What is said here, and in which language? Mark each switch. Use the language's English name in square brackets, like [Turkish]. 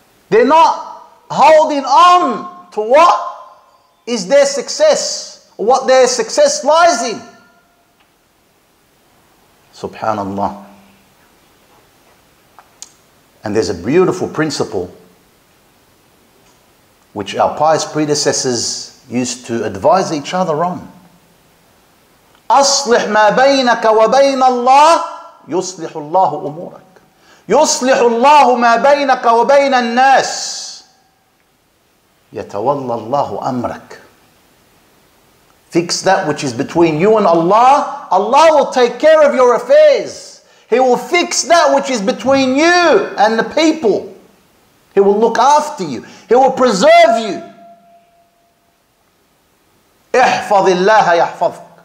[English] They're not holding on to what is their success, what their success lies in. Subhanallah. And there's a beautiful principle which our pious predecessors used to advise each other on. [Arabic] أصلح ما بينك وبين الله يصلح الله أمورك يصلح الله ما بينك وبين الناس يتولى الله أمرك. [English] Fix that which is between you and Allah. Allah will take care of your affairs. He will fix that which is between you and the people. He will look after you. He will preserve you. [Arabic] احفظ الله يحفظك.